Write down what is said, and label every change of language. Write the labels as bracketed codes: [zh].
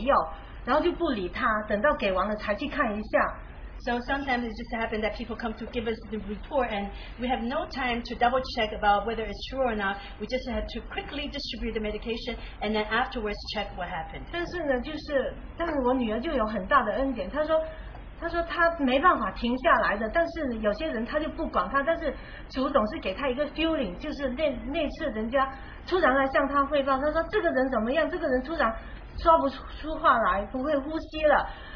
[zh] 所以有时候呢，就是人家来汇报说这个人怎么样怎么样，我们都没办法停下来，只能又赶紧给药，然后就不理他，等到给完了才去看一下。 [en] So sometimes it just happened that people come to give us the report and we have no time to double check about whether it's true or not. We just have to quickly distribute the medication and then afterwards check what happened. [zh] 但是呢，就是，但是我女儿就有很大的恩典。她说，她没办法停下来的，但是有些人她就不管她，但是主总是给她一个feeling，就是那次人家突然来向她汇报，她说这个人怎么样，这个人突然说不出话来，不会呼吸了。